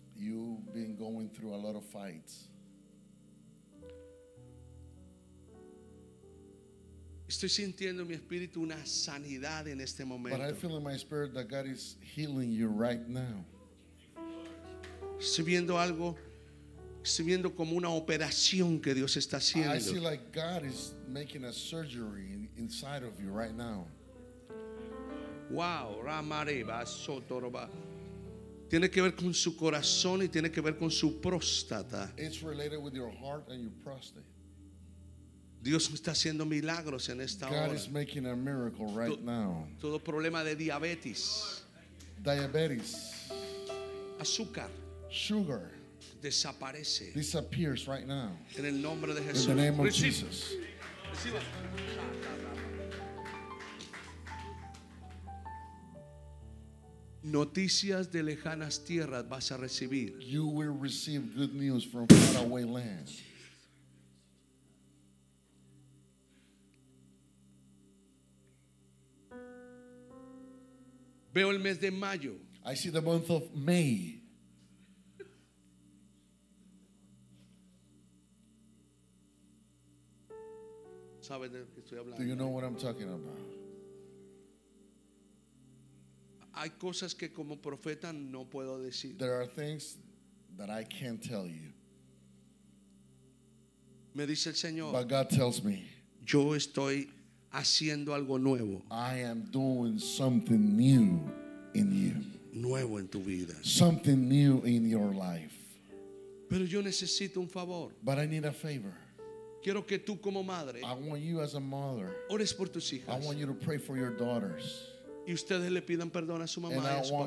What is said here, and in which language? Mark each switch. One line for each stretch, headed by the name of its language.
English: You've been going through a lot of fights.
Spanish: Estoy sintiendo en mi espíritu una sanidad en este momento.
English: But I feel in my spirit that God is healing you right now.
Spanish: Estoy viendo algo, estoy viendo como una operación que Dios está haciendo.
English: I see like God is making a surgery inside of you right now. Wow, Ramareba Sotoroba.
Spanish: Tiene que ver con su corazón y tiene que ver con su próstata.
English: It's related with your heart and your prostate.
Spanish: Dios está haciendo milagros en esta
English: God
Spanish: hora.
English: God is making a miracle right now.
Spanish: Todo problema de diabetes.
English: Diabetes.
Spanish: Azúcar.
English: Sugar.
Spanish: Desaparece.
English: Disappears right now.
Spanish: En el nombre de Jesús.
English: In the name of Jesus.
Spanish: Reciba. Noticias de lejanas tierras vas a recibir.
English: You will receive good news from faraway lands.
Spanish: Veo el mes de mayo.
English: I see the month of May.
Spanish: ¿Sabes de qué estoy hablando?
English: Do you know what I'm talking about?
Spanish: Hay cosas que como profeta no puedo decir.
English: There are things that I can't tell you.
Spanish: Me dice el Señor.
English: But God tells me.
Spanish: Yo estoy haciendo algo nuevo.
English: I am doing something new in you.
Spanish: Nuevo en tu vida.
English: Something new in your life.
Spanish: Pero yo necesito un favor.
English: But I need a favor.
Spanish: Quiero que tú como madre.
English: I want you as a mother.
Spanish: Ores por tus hijas.
English: I want you to pray for your daughters.
Spanish: Y ustedes le pidan perdón a su mamá y a su papá.